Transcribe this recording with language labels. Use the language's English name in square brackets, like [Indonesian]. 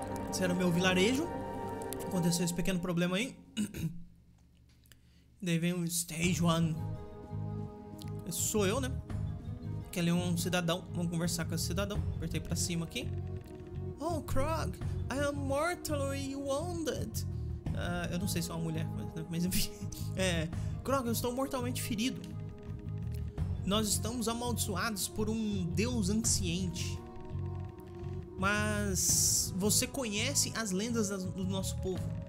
[Portuguese] Esse era o meu vilarejo. Aconteceu esse pequeno problema aí. Daí vem o Stage 1. Esse sou eu, né? Que ali é um cidadão. Vamos conversar com esse cidadão. Apertei pra cima aqui. [English] Oh, Krog, I am mortally wounded. [Portuguese] Eu não sei se é uma mulher, mas enfim. Krog, eu estou mortalmente ferido. Nós estamos amaldiçoados por um deus anciente. Mas você conhece as lendas do nosso povo.